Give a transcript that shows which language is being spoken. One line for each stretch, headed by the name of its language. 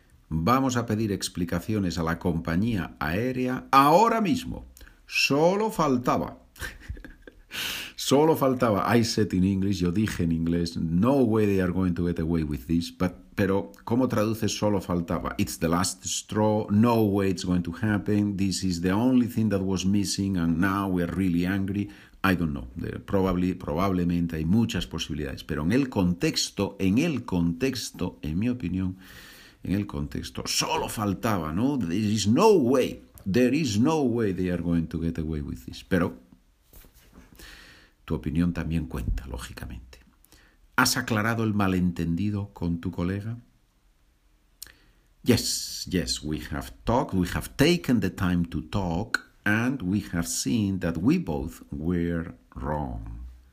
Spanish: Vamos a pedir explicaciones a la compañía aérea ahora mismo. Solo faltaba. Solo faltaba.
English: I said in English,
Spanish: yo dije en inglés,
English: no way they are going to get away with this.
Spanish: Pero, ¿cómo traduces solo faltaba?
English: It's the last straw, no way it's going to happen. This is the only thing that was missing and now we're really angry. I don't know.
Spanish: Probablemente hay muchas posibilidades. Pero en el contexto, en mi opinión, en el contexto, solo faltaba, ¿no?
English: There is no way they are going to get away with this.
Spanish: Pero tu opinión también cuenta, lógicamente. ¿Has aclarado el malentendido con tu colega?
English: Yes, we have talked, we have taken the time to talk, and we have seen that we both were wrong.